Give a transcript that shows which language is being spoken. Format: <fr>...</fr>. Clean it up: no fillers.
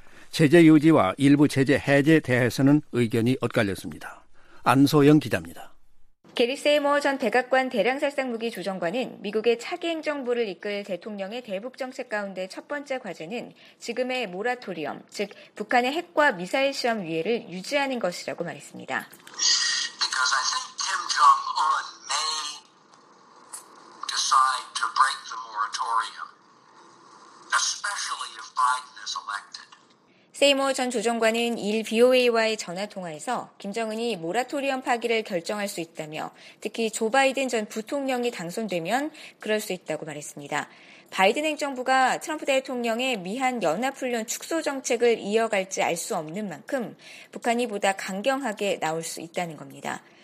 <ko>제재 유지와 일부 제재 해제에 대해서는 의견이 엇갈렸습니다. 안소영 기자입니다. 게리 세이머 전 백악관 대량살상무기 조정관은 미국의 차기 행정부를 이끌 대통령의 대북정책 가운데 첫 번째 과제는 지금의 모라토리엄, 즉 북한의 핵과 미사일 시험 유예를 유지하는 것이라고 말했습니다.</ko> <en>Because I think Kim Jong-un may decide to break the moratorium, especially if Biden is elected.</en> <ko>세이머 전 조정관은 이일 BOA와의 전화통화에서 김정은이 모라토리엄 파기를 결정할 수 있다며 특히 조 바이든 전 부통령이 당선되면 그럴 수 있다고 말했습니다. 바이든 행정부가 트럼프 대통령의 미한 연합훈련 축소 정책을 이어갈지 알 수 없는 만큼 북한이 보다 강경하게 나올 수 있다는 겁니다.</ko>